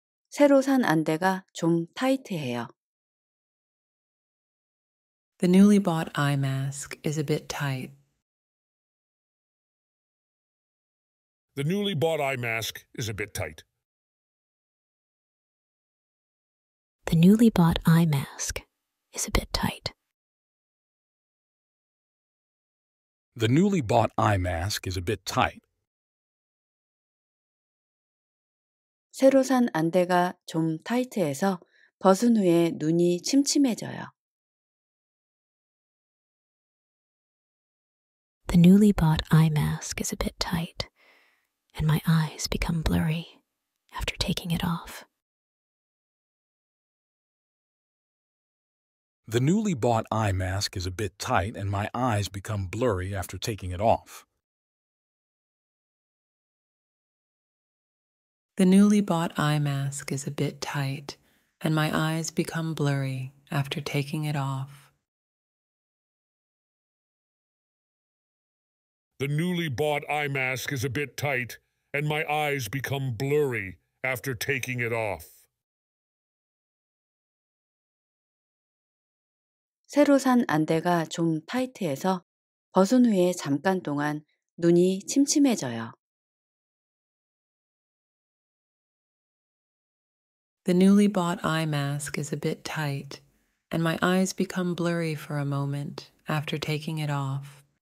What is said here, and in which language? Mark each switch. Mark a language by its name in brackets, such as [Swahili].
[Korean] 새로 산 안대가 좀 타이트해요. [English] The newly bought eye mask is a bit tight. The newly bought eye mask is a bit tight. The newly bought eye mask is a bit tight. The newly bought eye mask is a bit tight. [Korean] 새로 산 안대가 좀 타이트해서 벗은 후에 눈이 침침해져요. [English] The newly bought eye mask is a bit tight, and my eyes become blurry after taking it off. The newly bought eye mask is a bit tight, and my eyes become blurry after taking it off. The newly bought eye mask is a bit tight, and my eyes become blurry after taking it off. The newly bought eye mask is a bit tight, and my eyes become blurry after taking it off. [Korean] 새로 산 안대가 좀 타이트해서 벗은 후에 잠깐 동안 눈이 침침해져요. [English] The newly bought eye mask is a bit tight, and my eyes become blurry for a moment after taking it off.